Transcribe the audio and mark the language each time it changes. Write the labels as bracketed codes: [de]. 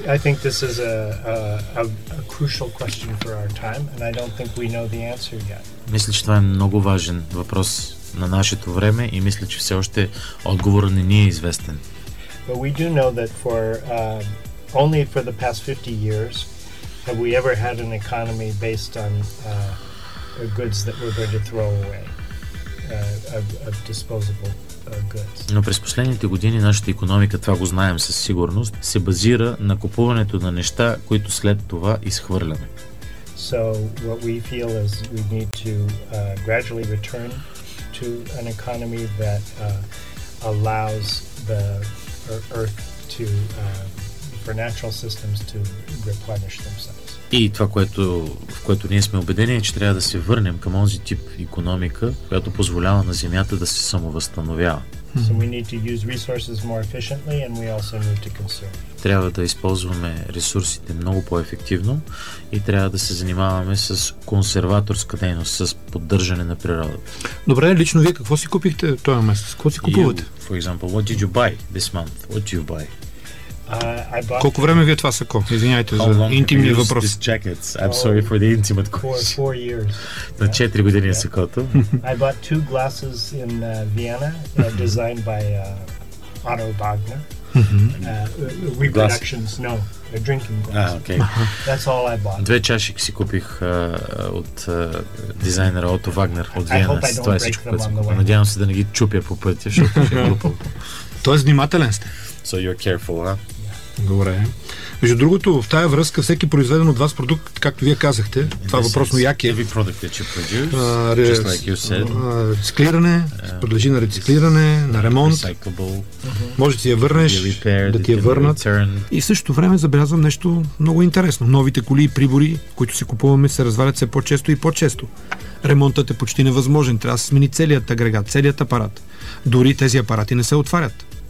[en] I think this is a crucial question for our time and I don't think we know the answer yet. [bg] Мисля, че това е много важен въпрос на нашето време и мисля, че все още отговорът не ни е известен. [en] But we do know that for only for the past 50 years have we ever had an economy based on goods that we're going to throw away, of disposable goods. [bg] Но през последните години нашата икономика, това го знаем със сигурност, се базира на купуването на неща, които след това изхвърляме. [en] So what we feel is we need to gradually return to an economy that allows the earth to for natural systems to replenish themselves. [bg] И това, в което ние сме убедени, е, че трябва да се върнем към онзи тип икономика, която позволява на Земята да се самовъзстановява. [en] So we need to use resources more efficiently and we also need to conserve. [bg] Трябва да използваме ресурсите много по-ефективно и трябва да се занимаваме с консерваторска дейност, с поддържане на природата. Добре, лично вие какво си купихте този месец? Какво си купувате? [en] You, for example, what did you buy this month? What did you buy? [bg] Колко време ви е това сако? Извинявайте за интимния въпрос. [en] I'm sorry for the intimate question. Four years. [bg] На 4 години е сакото. [en] I bought two glasses in Vienna, designed by Otto Wagner. Reproductions, no. A drinking glass. Okay. That's all I bought. [bg] Две чаши си купих от дизайнера Otto Wagner от Виена. Това е всичко, което си купих. Надявам се да не ги чупя по пътя, защото е глупо. Тоест, внимателен сте. [en] So you're careful, huh? [bg] Добре. Между другото, в тая връзка всеки произведен от вас продукт, както вие казахте, това е въпросно яке. [en] Every product that you produce, just like you said. [bg] Рециклиране, подлежи на рециклиране, на ремонт. Може да си я върнеш, да ти я върнат. И в същото време забелязвам нещо много интересно. Новите коли и прибори, които си купуваме, се развалят все по-често и по-често. Ремонтът е почти невъзможен. Трябва да се смени целият агрегат, целият апарат. Дори тези апарати не се отварят.